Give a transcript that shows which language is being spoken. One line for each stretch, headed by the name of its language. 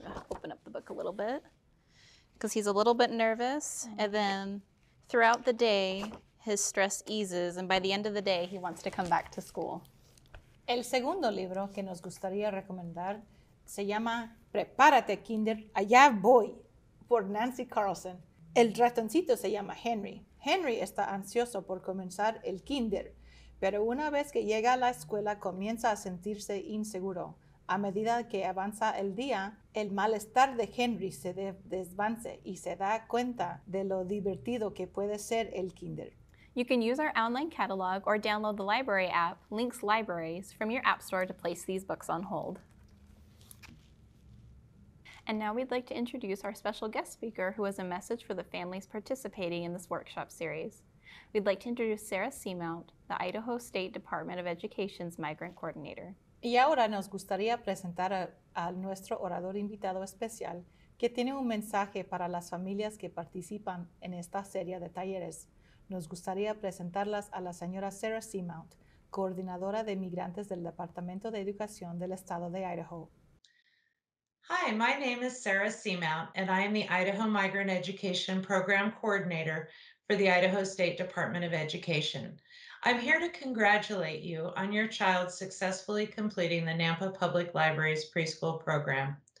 English: Open up the book a little bit because he's a little bit nervous. And then throughout the day, his stress eases. And by the end of the day, he wants to come back to school.
Spanish: El segundo libro que nos gustaría recomendar se llama Prepárate, Kinder, Allá Voy, por Nancy Carlson. El ratoncito se llama Henry. Henry está ansioso por comenzar el kinder, pero una vez que llega a la escuela comienza a sentirse inseguro. A medida que avanza el día, el malestar de Henry se desvanece y se da cuenta de lo divertido que puede ser el kinder.
English: You can use our online catalog or download the library app, Links Libraries, from your app store to place these books on hold. And now we'd like to introduce our special guest speaker who has a message for the families participating in this workshop series. We'd like to introduce Sarah Seamount, the Idaho State Department of Education's Migrant Coordinator.
Spanish: Y ahora nos gustaría presentar a nuestro orador invitado especial que tiene un mensaje para las familias que participan en esta serie de talleres. Nos gustaría presentarlas a la señora Sarah Seamount, coordinadora de migrantes del Departamento de Educación del Estado de Idaho.
English: Hi, my name is Sarah Seamount, and I am the Idaho Migrant Education Program Coordinator for the Idaho State Department of Education. I'm here to congratulate you on your child successfully completing the Nampa Public Library's preschool program.